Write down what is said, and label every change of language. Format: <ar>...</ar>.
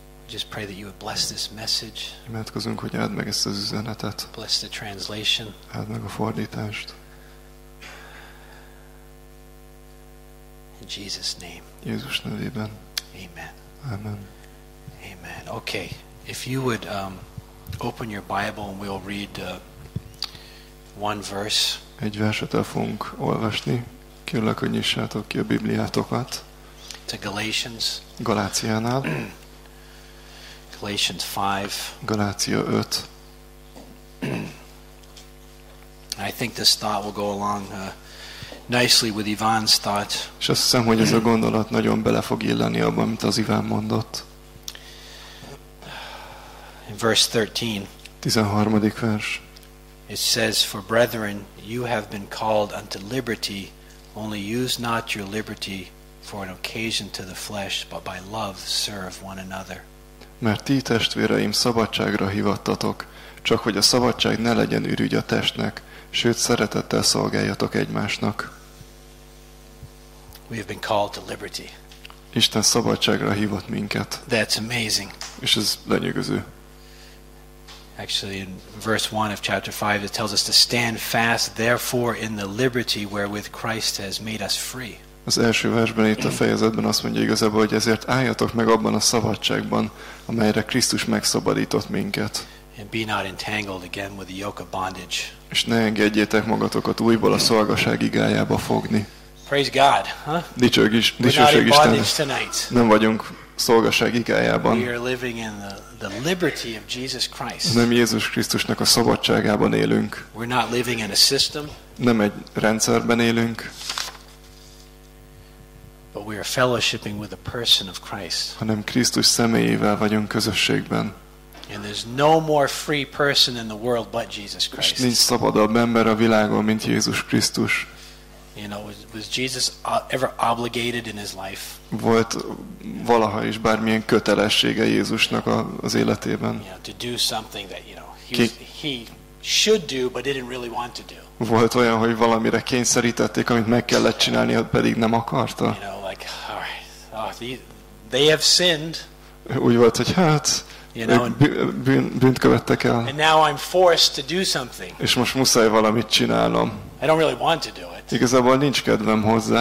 <en>Just pray that you would bless this message.</en> <hu>Imádkozunk, hogy áld meg ezt az üzenetet.</hu> <en>Bless the translation.</en> <hu>Áld meg a fordítást.</hu> <en>In Jesus' name.</en> <hu>Jézus nevében.</hu> <en>Amen.</en> <hu>Amen. Amen.</hu> <en>Okay, if you would open your Bible and we'll read one verse.</en> <hu>Egy verset el fogunk olvasni. Kérlek, hogy nyissátok ki a Bibliátokat.</hu> <en>To Galatians.</en> <hu>Galáciánál.</hu> <en>Galatians 5.</en> <hu>Galácia 5.</hu> <en>I think this thought will go along nicely with Ivan's thought.</en> <hu>És azt hiszem, hogy ez a gondolat nagyon bele fog illeni abban, amit az Iván mondott.</hu> <en>Verse 13.</en> <hu>13. vers.</hu> <en>It says, "For brethren, you have been called unto liberty; only use not your liberty for an occasion to the flesh, but by love serve one another."</en> <hu>Mert ti testvéreim szabadságra hivattatok, csak hogy a szabadság ne legyen ürügy a testnek, sőt szeretettel szolgáljatok egymásnak.</hu> <en>We have been called to liberty.</en> <hu>Isten szabadságra hívott minket.</hu> <en>That's amazing.</en> <hu>És ez lenyűgöző.</hu> <en>Actually, in verse 1 of chapter 5, it tells us to stand fast, therefore, in the liberty wherewith Christ has made us free.</en> <hu>Az első versben itt a fejezetben azt mondja igazából, hogy ezért álljatok meg abban a szabadságban, amelyre Krisztus megszabadított minket.</hu> <en>And be not entangled again with the yoke of bondage.</en> <hu>És ne engedjétek magatokat újból a szolgaság igájába fogni.</hu> <en>Praise God, huh?</en> <hu>Dicsőség Isten.</hu> <en>We're not in bondage tonight.</en> <hu>Nem vagyunk szolgaság igájában.</hu> <en>We are living in the liberty of Jesus Christ.</en> <hu>Nem Jézus Krisztusnak a szabadságában élünk.</hu> <en>We're not living in a system.</en> <hu>Nem egy rendszerben élünk.</hu> <en>But we are fellowshipping with the person of Christ.</en> <hu>Hanem Krisztus személyével vagyunk közösségben.</hu> <en>And there's no more free person in the world but Jesus Christ.</en> <hu>Nincs szabadabb ember a világon, mint Jézus Krisztus.</hu> <en>You know, was Jesus ever obligated in his life?</en> <hu>Volt valaha is bármilyen kötelessége Jézusnak az életében?</hu> <en>You know, to do something that, you know, he should do but didn't really want to do.</en> <hu>Volt olyan, hogy valamire kényszerítették, amit meg kellett csinálni, pedig nem akarta?</hu> <en>You know, like, all right, oh, they have sinned.</en> <hu>Úgy volt, hogy hát,</hu> <en>you know,</en> <hu>bűnt követtek el.</hu> <en>And now I'm forced to do something.</en> <hu>És most muszáj valamit csinálnom.</hu> <en>I don't really want to do it.</en> <hu>Igazából nincs kedvem hozzá.</hu>